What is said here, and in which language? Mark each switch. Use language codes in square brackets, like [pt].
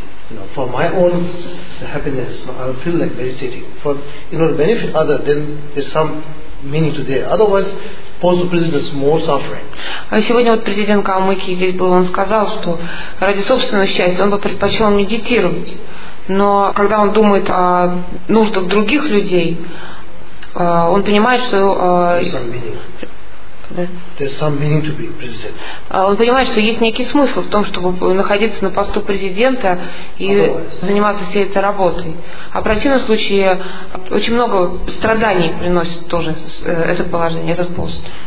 [en] You know, for my own happiness, I will feel like meditating. For in order to benefit others, then there's some meaning to there. Otherwise, possible prisoners more suffering. [ru] Сегодня вот президент Калмыкии здесь был, он сказал, что ради собственного счастья он бы предпочел медитировать. Но когда он думает о нуждах других людей, он понимает, что [en] There's some meaning to be president. [ru] Он понимает, что есть некий смысл в том, чтобы находиться на посту президента и [en] Otherwise. [ru] Заниматься всей этой работой. А в противном случае очень много страданий приносит тоже это положение, этот пост.